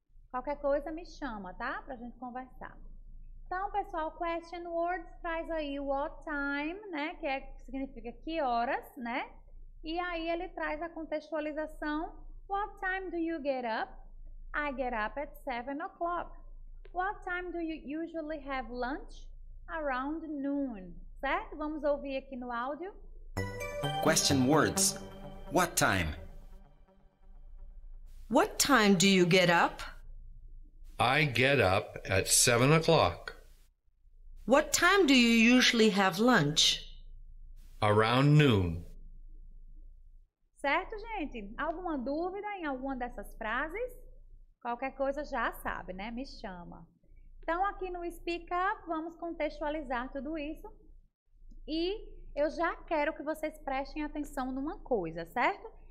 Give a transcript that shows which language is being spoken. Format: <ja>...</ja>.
<pt>Qualquer coisa me chama, tá? Pra gente conversar. Então, pessoal, question words traz aí o what time, né? Que significa que horas, né? E aí ele traz a contextualização.</pt> <en>What time do you get up? I get up at 7 o'clock. What time do you usually have lunch? Around noon.</en> <pt>Certo? Vamos ouvir aqui no áudio.</pt> <en>Question words. What time? What time do you get up? I get up at 7 o'clock. What time do you usually have lunch? Around noon.</en> <pt>Certo, gente? Alguma dúvida em alguma dessas frases? Qualquer coisa já sabe, né? Me chama. Então, aqui no Speak Up, vamos contextualizar tudo isso. E eu já quero que vocês prestem atenção numa coisa, certo?</pt>